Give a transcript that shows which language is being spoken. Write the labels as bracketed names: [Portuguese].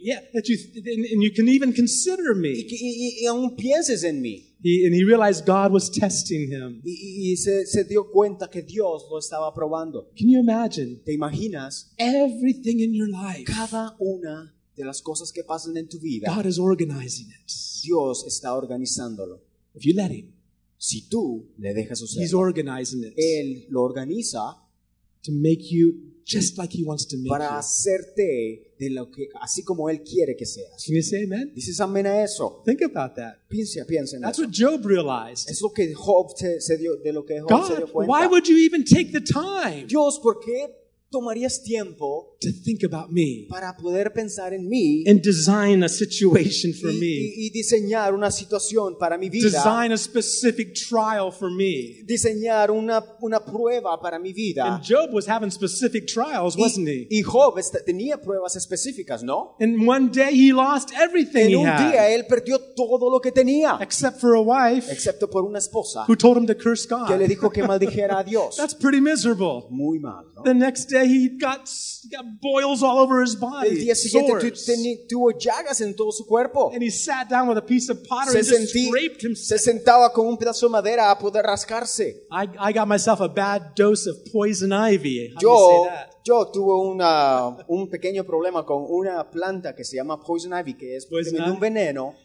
[English] Yeah, that you and you can even consider me. [Spanish] Y aún pienses en mí. [English] And he realized God was testing him. [Spanish] Y se dio cuenta que Dios lo estaba probando. [English] Can you imagine? [Spanish] ¿Te imaginas? [English] Everything in your life. [Spanish] Cada una de las cosas que pasan en tu vida. [English] God is organizing it. [Spanish] Dios está organizándolo. [English] If you let him, [Spanish] si tú le dejas usar, [English] he's organizing it. [Spanish] Él lo organiza [English] to make you just like he wants to make [Spanish] para [English] you. [Spanish] Para hacerte de lo que así como él quiere que seas. [English] Can you say amen? [Spanish] Dices amén a eso. [English] Think about that. [Spanish] Piensa en [English] that's [Spanish] eso. [English] What Job realized. [Spanish] Es lo que Job se dio de lo que Job [English] God, [Spanish] se dio cuenta. [English] God, why would you even take the time? [Spanish] Dios, ¿por qué tomarías tiempo [English] to think about me [Spanish] para poder pensar en mí [English] and design a situation for me [Spanish] y diseñar una situación para mi vida, [English] design a specific trial for me, [Spanish] diseñar una prueba para mi vida? [English] And Job was having specific trials, wasn't he? [Spanish] Y Job tenía pruebas específicas, ¿no? [English] And one day he lost everything he had. [Spanish] En un día él perdió todo lo que tenía, [English] except for a wife, [Spanish] excepto por una esposa, [English] who told him to curse God, [Spanish] que le dijo que maldijera a Dios. [English] That's pretty miserable. [Spanish] Muy mal, ¿no? [English] The next day he got boils all over his body. [Spanish] El día siguiente tuvo llagas en todo su cuerpo. [English] And he sat down with a piece of pottery and just scraped himself. [Spanish] Se sentaba con un pedazo de madera a poder rascarse. [English] I got myself a bad dose of poison ivy. [Spanish] Yo tuve un pequeño problema con una planta que se llama poison ivy, que es un veneno.